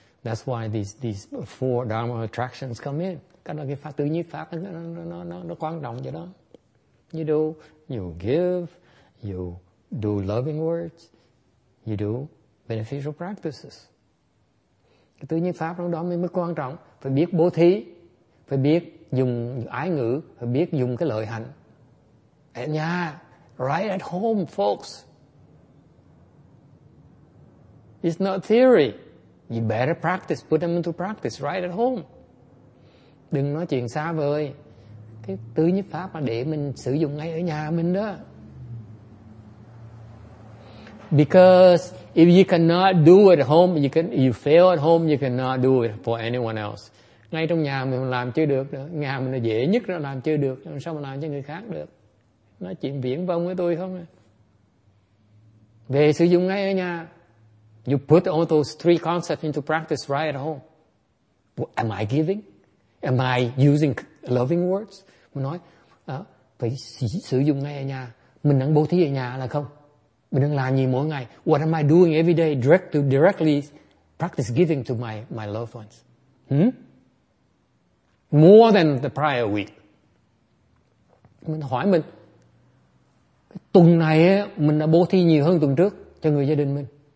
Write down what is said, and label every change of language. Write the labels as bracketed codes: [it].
[en] That's why these four dharma attractions come in. [vi] Cái đó cái pháp tứ nhiếp pháp nó quan trọng vậy đó. [en] You give, you do loving words, you do beneficial practices. [vi] Cái tứ nhiếp pháp đó mới quan trọng. Phải biết bố thí, phải biết dùng ái ngữ, phải biết dùng cái lợi hạnh. Ở nhà, [en] right at home, folks. It's not theory. You better practice. Put them into practice right at home. [vi] Đừng nói chuyện xa vời. Cái tứ nhiếp pháp là để mình sử dụng ngay ở nhà mình đó. [en] Because if you cannot do it at home, you fail at home, you cannot do it for anyone else. [vi] Ngay trong nhà mình làm chưa được, nhà mình là dễ nhất là làm chưa được, sao mà làm cho người khác được? Nói chuyện viễn vông với tôi không? Về sử dụng ngay ở nhà. [en] You put all those three concepts into practice right at home. Well, am I giving? Am I using loving words? [vi] Mình nói, phải sử dụng ngay ở nhà. Mình đang bố thí ở nhà là không? Mình đang làm gì mỗi ngày? [en] What am I doing every day directly practice giving to my loved ones? More than the prior week. [vi] Mình hỏi mình, tuần này mình đã bố thí nhiều hơn tuần trước cho người gia đình mình.